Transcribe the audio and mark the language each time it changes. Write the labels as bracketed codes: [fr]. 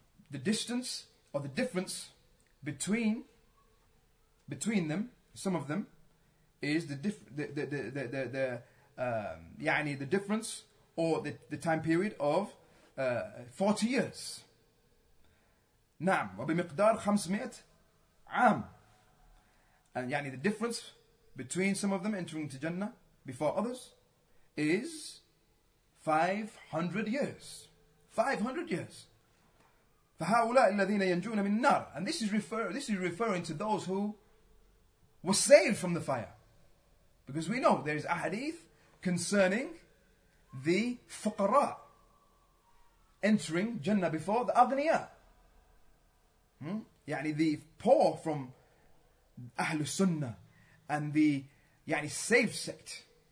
[en] The distance or the difference between them, some of them, is the difference or the time period of 40 years. [ar] نعم وبمقدار 500 عام. [en] And [ar] يعني [en] the difference between some of them entering into Jannah before others is 500 years. 500 years. [ar] فهؤلاء الذين ينجون من النار. [en] And this is referring to those who were saved from the fire. Because we know there is a hadith concerning the fuqara entering Jannah before the aghniya. [ar] يعني [en] the poor from Ahl Sunnah and the يعني saved sect.